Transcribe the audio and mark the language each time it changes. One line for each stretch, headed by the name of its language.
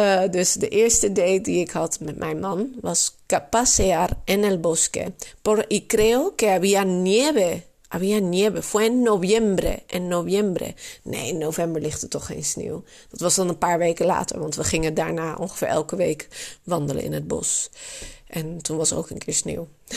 Dutch: Dus de eerste date die ik had met mijn man was
Spanish: pasear en el bosque. Y creo que había nieve, fue en noviembre.
Dutch: Nee, in november ligt er toch geen sneeuw. Dat was dan een paar weken later, want we gingen daarna ongeveer elke week wandelen in het bos. En toen was er ook een keer sneeuw.